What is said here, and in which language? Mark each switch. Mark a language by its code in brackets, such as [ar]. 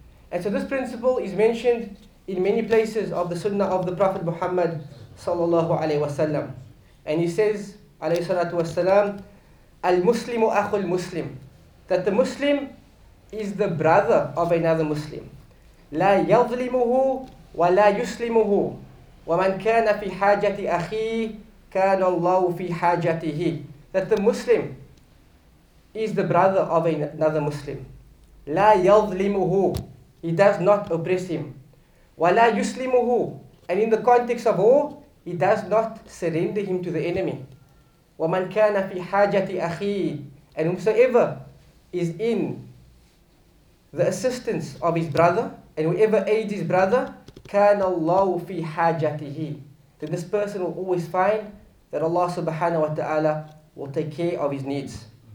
[en] And so this principle is mentioned in many places of the Sunnah of the Prophet Muhammad sallallahu alayhi wasallam. And he says, alayhi salatu wasallam, [ar] al-Muslimu akhul Muslim, [en] that the Muslim is the brother of another Muslim. [ar] لا يظلمه ولا يسلمه ومن كان في حاجة أخيه كان الله في حاجته. [en] That the Muslim is the brother of another Muslim. [ar] لا يظلمه, [en] he does not oppress him. [ar] ولا يسلمه, [en] and in the context of war, he does not surrender him to the enemy. [ar] ومن كان في حاجة أخيه, [en] and whosoever is in the assistance of his brother, and whoever aids his brother, [ar] كَانَ اللَّهُ فِي حَاجَتِهِ, [en] then this person will always find that Allah subhanahu wa ta'ala will take care of his needs.